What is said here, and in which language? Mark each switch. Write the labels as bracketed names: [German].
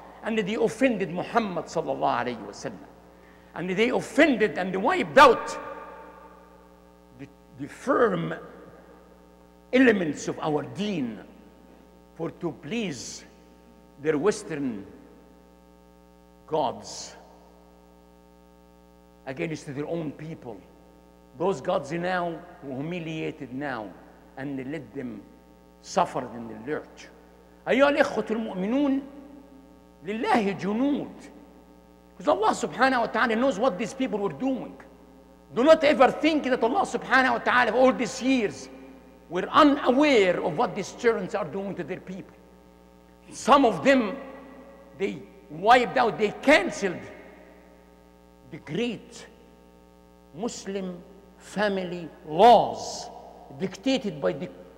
[English] And they offended Muhammad sallallahu alayhi wa sallam. And they offended and wiped out the firm elements of our deen for to please their Western gods against their own people. Those gods now who humiliated now and let them suffer in the lurch. [Arabic] أيها الإخوة المؤمنون, لله جنود. [English] Because Allah subhanahu wa ta'ala knows what these people were doing. Do not ever think that Allah subhanahu wa ta'ala all these years were unaware of what these tyrants are doing to their people. Some of them, they wiped out, they canceled the great Muslim family laws dictated by the